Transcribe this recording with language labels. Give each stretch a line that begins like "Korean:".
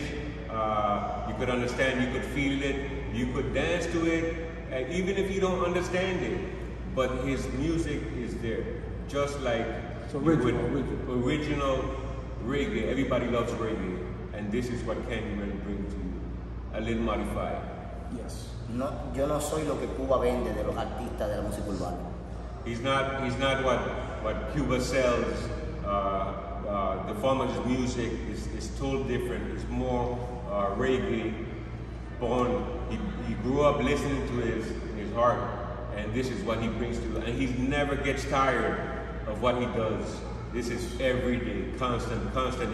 English: You could understand, you could feel it, you could dance to it, even if you don't understand it. But his music is there, just like original reggae. Everybody loves reggae, and this is what Kandyman brings to you, a little modified. Yes.
Spanish: No, yo no soy lo que Cuba vende de los artistas de la música urbana.
English: He's not what Cuba sells. The form of his music is totally different. It's more reggae born. He grew up listening to his heart. And this is what he brings to you. And he never gets tired of what he does. This is every day, constant.